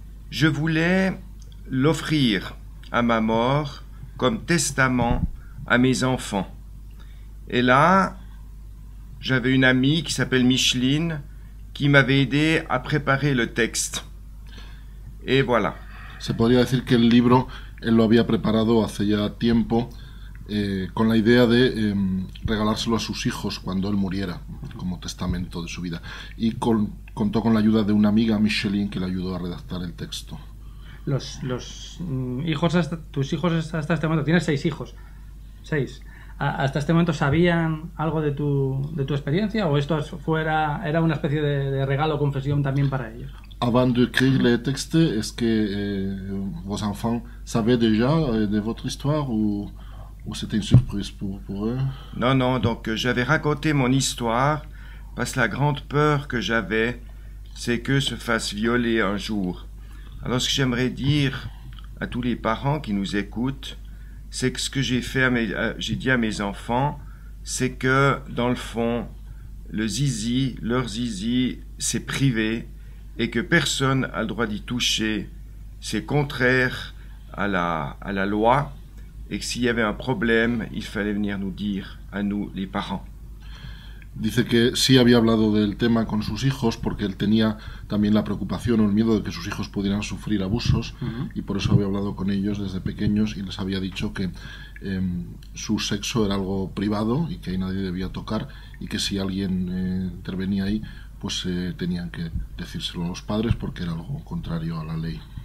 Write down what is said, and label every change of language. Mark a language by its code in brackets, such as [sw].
[fr] Je voulais l'offrir à ma mort comme testament à mes enfants. Et là, j'avais une amie qui s'appelle Micheline qui m'avait aidé à préparer le texte. Et voilà. [es] Se podría decir que el libro él lo había preparado hace ya tiempo con la idea de regalárselo a sus hijos cuando él muriera como testamento de su vida. Y contó con la ayuda de una amiga, Micheline, que le ayudó a redactar el texto. Tus hijos hasta este momento, tienes 6 hijos. 6. ¿Hasta este momento sabían algo de tu experiencia o esto era una especie de regalo o confesión también para ellos? [fr] Avant de écrire le texte, est-ce que vos enfants savaient déjà de votre histoire ou c'était une surprise pour eux? Non, donc j'avais raconté mon histoire parce que la grande peur que j'avais, c'est que se fasse violer un jour. Alors ce que j'aimerais dire à tous les parents qui nous écoutent, c'est que ce que j'ai dit à mes enfants, c'est que dans le fond, leur zizi, c'est privé et que personne a le droit d'y toucher. C'est contraire à la loi et que s'il y avait un problème, il fallait venir nous dire à nous les parents. [es] Dice que sí había hablado del tema con sus hijos porque él tenía también la preocupación o el miedo de que sus hijos pudieran sufrir abusos, uh-huh. Y por eso había hablado con ellos desde pequeños y les había dicho que su sexo era algo privado y que ahí nadie debía tocar y que si alguien intervenía ahí, pues tenían que decírselo a los padres porque era algo contrario a la ley.